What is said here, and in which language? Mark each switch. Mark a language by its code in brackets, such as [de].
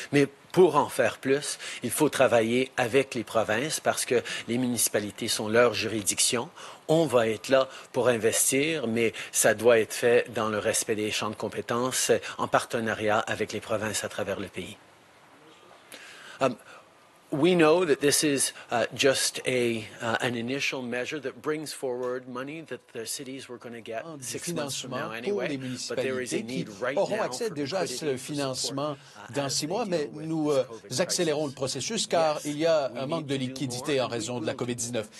[fr] Mais pour en faire plus, il faut travailler avec les provinces parce que les municipalités sont leur juridiction. On va être là pour investir, mais ça doit être fait dans le respect des champs de compétences en partenariat avec les provinces à travers le pays. [en] We know that this is just an initial measure that brings forward money that the cities were going to get 6 months from now anyway. [fr] Pour les municipalités qui auront accès déjà à ce financement dans 6 mois, mais nous accélérons le processus car il y a un manque de liquidité en raison de la COVID-19.